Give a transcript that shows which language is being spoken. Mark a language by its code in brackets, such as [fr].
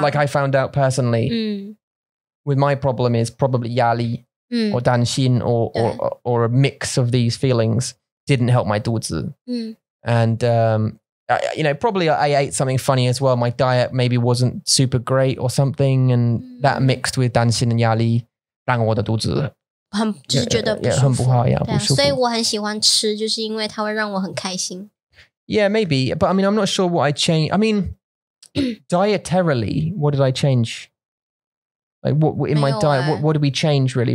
[en] Like I found out personally, with my problem is probably 压力, or 担心, or a mix of these feelings didn't help my 肚子. And you know, probably I ate something funny as well. My diet maybe wasn't super great or something, and that mixed with 担心 and 压力, [zh] 让我的肚子. 很就是觉得不舒服。很不好，不舒服。所以我很喜欢吃，就是因为它会让我很开心。 [en] Yeah, maybe. But I mean, I'm not sure what I changed. I mean, dietarily, what did I change? Like, what in my diet, what did we change, really?